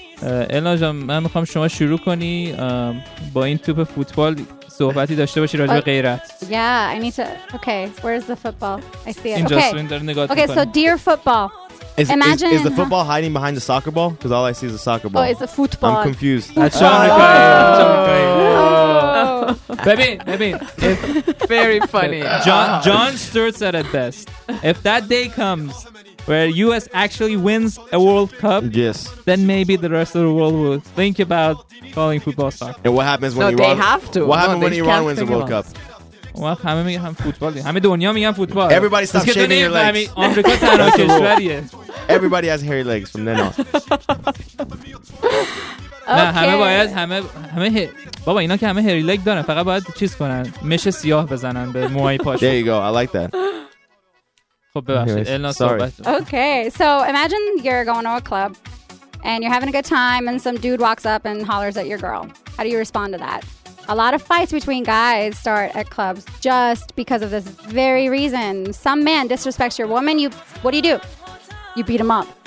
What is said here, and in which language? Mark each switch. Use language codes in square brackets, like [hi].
[fa] الان جان من میخوام شما شروع کنی با این توپ فوتبال صحبتی داشته باشی راجع به غیرت. [en] Yeah, I need to. Okay, where's the football? I see it. [fa] اینجا سوین داره نگاه میکنه. [en] Okay, so dear football. Is the football hiding behind the soccer ball? Because all I see is a soccer ball. Oh, it's a football. I'm confused. That's Sean McCoy. Baby. Very funny. John Stewart said it best. If that day comes where U.S. actually wins a World Cup, yes, then maybe the rest of the world will think about calling football soccer. And what happens when no, Iran? No, they have to. What no, happens when Iran wins a World Cup? Well, [fa] همه میگن فوتبال، همه دنیا میگن فوتبال. [en] Everybody stop shaving your legs. [fa] آمریکا تنها کشوریه. [en] Everybody has hairy legs from then on. [fa] نه همه باید همه بابا اینا که همه هری لگ دارن، فقط باید چیز کنن، مش سیاه بزنن به موهای پاشون. [en] There you go. I like that. [fa] خب ببخشید الان صحبت. [en] Okay. So imagine you're going to a club and you're having a good time and some dude walks up and hollers at your girl. How do you respond to that? A lot of fights between guys start at clubs just because of this very reason. Some man disrespects your woman, what do? You beat him up.